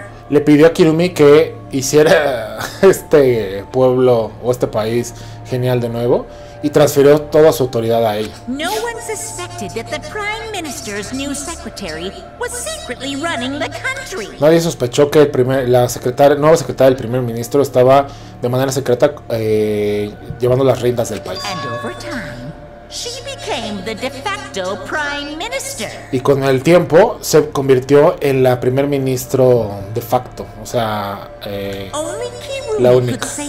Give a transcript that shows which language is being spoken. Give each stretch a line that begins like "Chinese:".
Spanish: Le pidió a Kiromi que hiciera este pueblo o este país genial de nuevo y transfirió toda su autoridad a ella.
English: No one suspected that the Prime Minister's new secretary was secretly running the country.
Spanish: Nadie sospechó que la nueva secretaria del primer ministro estaba de manera secreta llevando las riendas del país.
English: And over time, she became the de facto Prime Minister.
Spanish: Y con el tiempo se convirtió en la primer ministro de facto, o sea, la única.